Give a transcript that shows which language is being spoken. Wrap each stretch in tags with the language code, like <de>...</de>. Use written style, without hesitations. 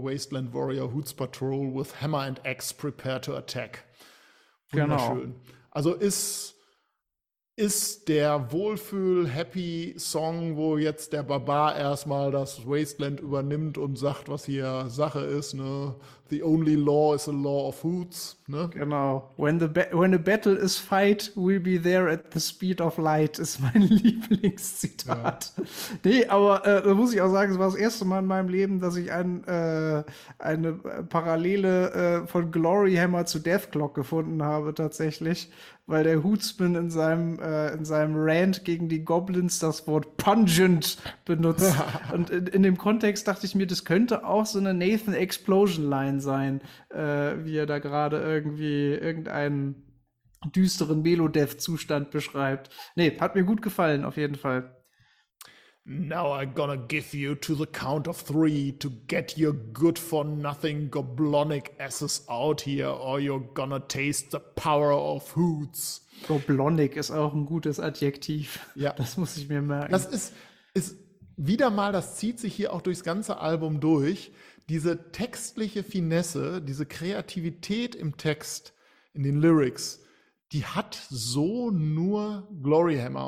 <en>Wasteland Warrior Hoots Patrol with hammer and axe prepare to attack.</en> <de>Wunderschön. Genau. Also ist der Wohlfühl-Happy-Song, wo jetzt der Barbar erstmal das Wasteland übernimmt und sagt, was hier Sache ist, ne?</de> <en>The only law is a law of Hoots, ne?</en> <de>Genau.</de> <en>When a battle is fight, we'll be there at the speed of light,</en> <de>ist mein Lieblingszitat. Ja. Nee, aber da muss ich auch sagen, es war das erste Mal in meinem Leben, dass ich eine Parallele von Gloryhammer zu Deathclock gefunden habe, tatsächlich. weil der Hootsman in seinem Rant gegen die Goblins das Wort pungent benutzt. Und in dem Kontext dachte ich mir, das könnte auch so eine Nathan Explosion Line sein, wie er da gerade irgendwie irgendeinen düsteren Melodeath-Zustand beschreibt. Nee, hat mir gut gefallen, auf jeden Fall.</de> <en>Now I'm gonna give you to the count of three to get your good for nothing goblonic asses out here, or you're gonna taste the power of hoots.</en> <de>Goblonic ist auch ein gutes Adjektiv. Ja. Das muss ich mir merken. Das ist wieder mal, das zieht sich hier auch durchs ganze Album durch. Diese textliche Finesse, diese Kreativität im Text, in den Lyrics, die hat so nur Gloryhammer.</de>